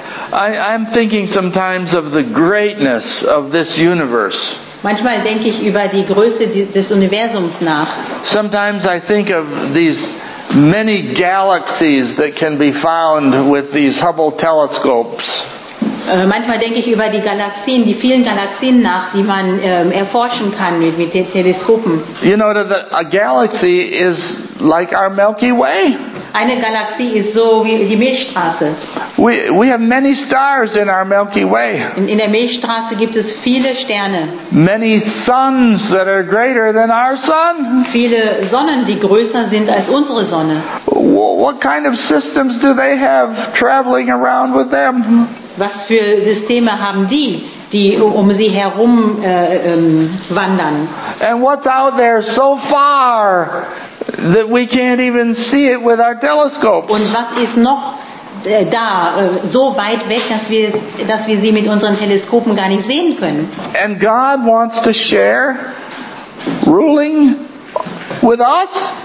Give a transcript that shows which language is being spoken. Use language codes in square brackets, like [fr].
[en] I'm thinking sometimes of the greatness of this universe. [de] Manchmal denke ich über die Größe des Universums nach. [en] Sometimes I think of these many galaxies that can be found with these Hubble telescopes. [de] Manchmal denke ich über die Galaxien, die vielen Galaxien nach, die man erforschen kann mit Teleskopen. [en] You know that a galaxy is like our Milky Way. [de] Eine Galaxie ist so wie die Milchstraße. [en] We have many stars in our Milky Way. [de] In der Milchstraße gibt es viele Sterne. [en] Many suns that are greater than our sun. [de] Viele Sonnen, die größer sind als unsere Sonne. [en] What kind of systems do they have traveling around with them? [de] Was für Systeme haben die, die um sie herum wandern? [en] And what's out there so far that we can't even see it with our telescopes? [de] Und was ist noch da, so weit weg, dass wir sie mit unseren Teleskopen gar nicht sehen können? [en] And God wants to share ruling with us?